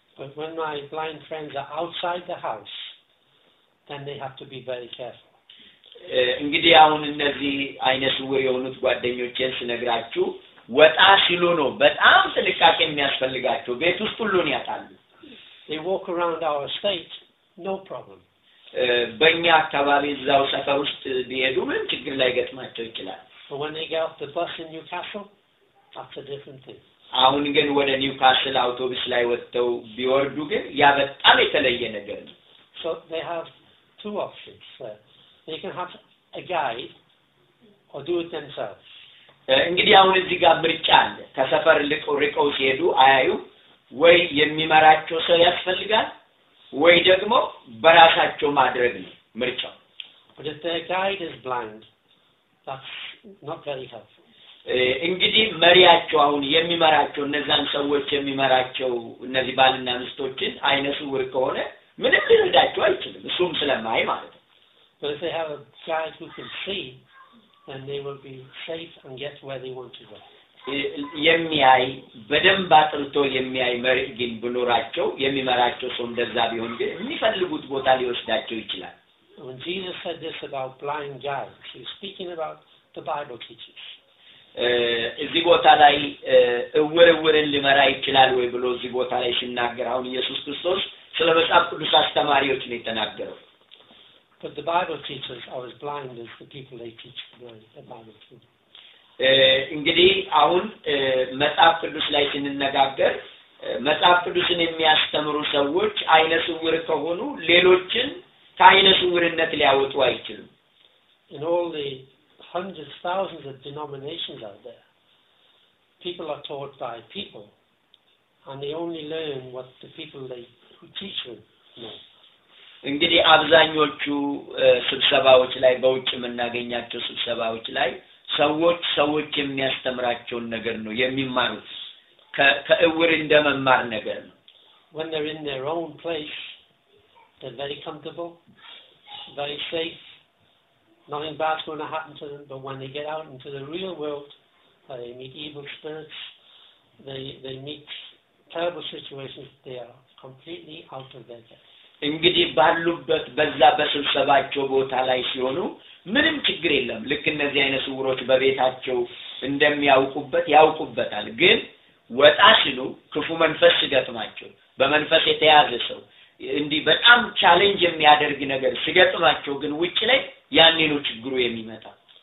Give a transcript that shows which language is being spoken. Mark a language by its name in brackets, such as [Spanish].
[English] But when my blind friends are outside the house then they have to be very careful [Amharic] እንግዲህ አሁን እነዚህ አይነ ስውር የሆኑት ጓደኞቼን ስነግራችሁ ወጣ ሲሉ ነው በጣም ጥንቃቄ የሚያስፈልጋቸው ቤት ውስጥ ሁሉን ያጣሉ [English] They walk around our estate no problem [Amharic] በእኛ አካባቢ እዛው ሰፈር ውስጥ ቢሄዱ ምን ችግር ላይገጥማቸው ይችላል [English] But when they get off the bus in Newcastle, that's a different thing. [Amharic] አሁን ግን ወደ ኒውካስል አውቶቡስ ላይ ወጥተው ቢወርዱ ግን ያ በጣም የተለየ ነገር ነው። [English] So they have two options. They can have a guide or do it themselves. [Amharic] እንግዲህ አሁን እዚህ ጋር ምርጫ አለ። ከሰፈር ልቆርቀው ሲሄዱ አያዩ ወይ የሚመራቸው ሰው ያስፈልጋል ወይ ደግሞ በራሳቸው ማድረግ ነው ምርጫው። [English] But if their guide is blind, that's not very helpful. [Amharic] እንግዲህ መሪያቸው አሁን የሚመራቸው እነዛን ሰዎች የሚመራቸው እነዚህ ባልና ሚስቶችን አይነሱ ወር ከሆነ ምንም ሊረዳቸው አይችልም እሱም ስለማይ ማለት ነው [English] So if they have a guide who can see then they will be safe and get where they want to go [Amharic] የሚያይ በደንብ አጥርቶ የሚያይ መሪ ግን ብኖራቸው የሚመራቸው ሰው እንደዛ ቢሆን ግን የሚፈልጉት ቦታ ሊወስዳቸው ይችላል [English] When Jesus said this about blind guides he's speaking about the Bible teachers [Amharic] እዚህ ቦታ ላይ እውርውርን ሊመራ ይችላል ወይ ብሎ እዚህ ቦታ ላይ ሲናገር አሁን ኢየሱስ ክርስቶስ ስለ መጽሐፍ ቅዱስ አስተማሪዎች ነው የተናገረው [English] But the Bible teachers are as blind as the people they teach the Bible to [Amharic] እንግዲህ አሁን መጽሐፍ ቅዱስ ላይ ሲነጋገር መጽሐፍ ቅዱስን የሚያስተምሩ ሰዎች አይነ ስውር ከሆኑ ሌሎችን ከአይነ ስውርነት ሊያወጡ አይችልም [English] In all the hundreds of thousands of denominations out there people are taught by people and they only learn what the people they who teach them know [Amharic] እንግዲህ አብዛኞቹ ስብሰባዎች ላይ በውጭ መናገኛቸው ስብሰባዎች ላይ ሰዎች የሚያስተምራቸው ነገር ነው የሚማሩት ከእውር እንደመማር ነገር ነው [English] when they're in their own place they're very comfortable very safe Nothing bad's going to happen to them, but when they get out into the real world, they meet evil spirits, they meet terrible situations, they are completely out of their depth. [Amharic] እንግዲህ ባሉበት በዛ በስብሰባቸው ቦታ ላይ ሲሆኑ ምንም ችግር የለም ልክ እነዚህ አይነ ስውሮች በቤታቸው እንደሚያውቁበት ያውቁበታል ግን ወጣ ሲሉ ክፉ መንፈስ ሲገጥማቸው በመንፈስ የተያዘ ሰው እንዲህ በጣም ቻሌንጅ የሚያደርግ ነገር ሲገጥማቸው ግን ውጭ ላይ ያኔ ነው ችግሩ የሚመጣው